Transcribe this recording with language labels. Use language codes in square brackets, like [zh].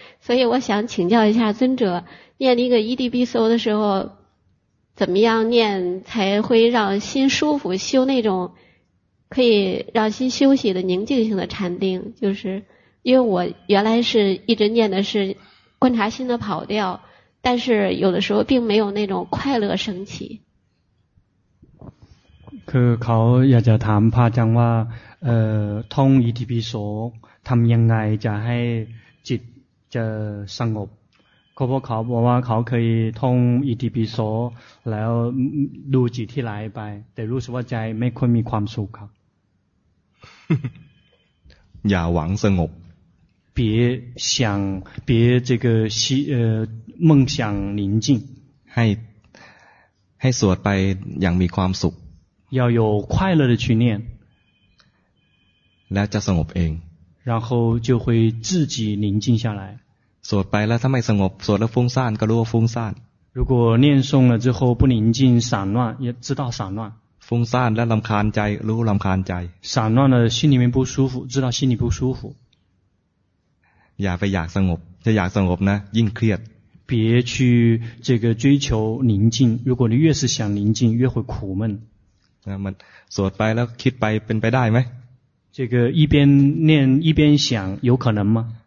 [zh] 所以我想请教一下尊者，念那个 EDB 搜的时候怎么样念才会让心舒服，修那种可以让心休息的宁静性的禅定，就是因为我原来是一直念的是观察心的跑掉，但是有的时候并没有那种快乐升起。 [th] คือเขาอยากจะถามพระอาจารย์ว่าท่อง EDB โสทำยังไงจะให้จิตจะสงบเพราะเขาบอกว่าเขาเคยท่อง EDB โสแล้วดูจิตที่ไหลไปแต่รู้สึกว่าใจไม่ค่อยมีความสุขครับ อย่าหวังสงบ [zh] 别想别这个梦想宁静 [th] ให้สวดไปอย่างมีความสุข [zh] 要有快乐的去念 [th] แล้วจะสงบเอง [zh] 然后就会自己宁静下来 [th] สวดไปแล้วถ้าไม่สงบสวดแล้วฟุ้งซ่านก็รู้ว่าฟุ้งซ่าน [zh] 如果念诵了之后不宁静散乱也知道散乱 [th] ฟุ้งซ่านและรำคาญใจรู้รำคาญใจ [zh] 散乱了心里面不舒服知道心里不舒服 [th] อย่าไปอยากสงบจะอยากสงบนะยิ่งเครียด [zh] 别去这个追求宁静如果你越是想宁静越会苦闷 [th] มันสวดไปแล้วคิดไปเป็นไปได้ไหม [zh] 这个一边念一边想有可能吗